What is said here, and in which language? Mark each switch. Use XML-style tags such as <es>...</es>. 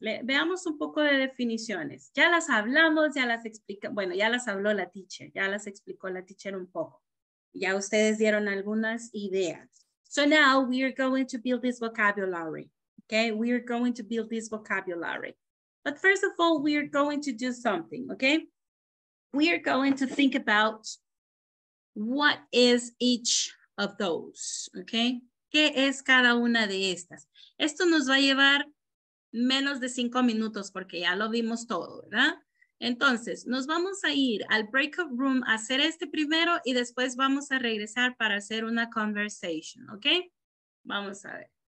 <es>Ya las hablamos, ya las habló la teacher, ya las explicó la teacher un poco. Ya ustedes dieron algunas ideas.</es> <en>So now we are going to build this vocabulary. Okay, we are going to build this vocabulary. But first of all, we are going to do something, okay? We are going to think about what is each of those, okay?</en> <es>¿Qué es cada una de estas? Esto nos va a llevar menos de 5 minutos porque ya lo vimos todo, ¿verdad? Entonces, nos vamos a ir al breakout room a hacer este primero y después vamos a regresar para hacer una conversation, ¿ok? Vamos a ver.</es>